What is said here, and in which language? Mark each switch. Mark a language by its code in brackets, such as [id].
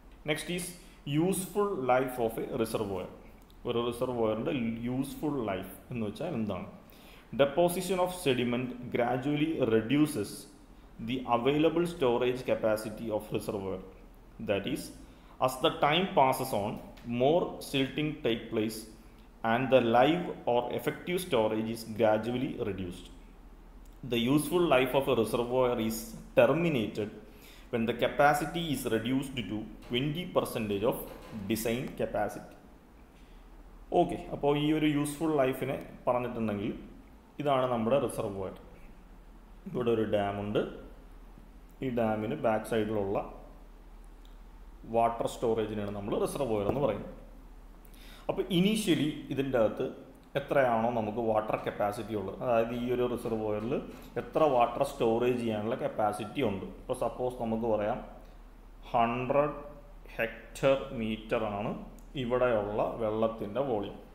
[en] Next is useful life of a reservoir. [ml] ഒരു റിസർവോയറിൻ്റെ useful life എന്ന് വെച്ചാൽ എന്താണ്, [en] Deposition of sediment gradually reduces the available storage capacity of reservoir, that is as the time passes on more silting take place and the live or effective storage is gradually reduced. The useful life of a reservoir is terminated when the capacity is reduced to 20% of design capacity. [ml] Okay, അപ്പോൾ ഈ ഒരു useful ലൈഫിനെ പറഞ്ഞിട്ടുണ്ടെങ്കിൽ ഇതാണ് നമ്മുടെ reservoir. ഇവിടെ ഒരു ഡാമുണ്ട്, ഈ ഡാമിന് ബാക്ക് സൈഡിലുള്ള വാട്ടർ സ്റ്റോറേജിനാണ് നമ്മൾ റിസർവോയർ എന്ന് പറയുന്നത്. അപ്പോൾ ഇനീഷ്യലി ഇതിൻ്റെ അകത്ത് എത്രയാണോ നമുക്ക് വാട്ടർ കപ്പാസിറ്റി ഉള്ളത്, അതായത് ഈ ഒരു റിസർവോയറിൽ എത്ര വാട്ടർ സ്റ്റോറേജ് ചെയ്യാനുള്ള കപ്പാസിറ്റി ഉണ്ട്, ഇപ്പോൾ സപ്പോസ് നമുക്ക് പറയാം 100 hectometer ആണ് ഇവിടെയുള്ള വെള്ളത്തിൻ്റെ വോളിയം.